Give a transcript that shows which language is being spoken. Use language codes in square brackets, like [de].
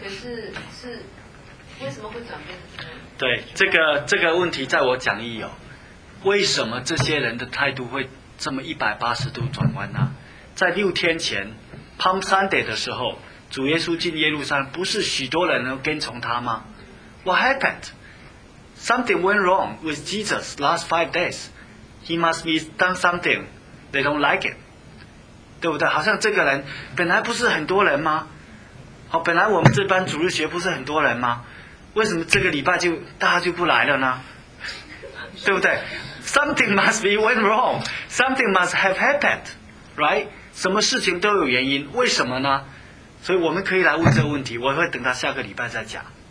[zh] 可是为什么会转变的呢？对，这个问题在我讲义有。为什么这些人的态度会这么180度转弯呢？在6天前 Palm Sunday 的时候，主耶稣进耶路撒冷，不是许多人都跟从他吗？ [en] What happened? Something went wrong with Jesus last 5 days. He must be done something. They don't like it. [zh] 对不对？好像这个人本来不是很多人吗？好，本来我们这班主日学不是很多人吗？为什么这个礼拜就大家就不来了呢？对不对？ [en] Something must be went wrong. Something must have happened. Right? [zh] 什么事情都有原因，为什么呢？所以我们可以来问这个问题，我会等到下个礼拜再讲。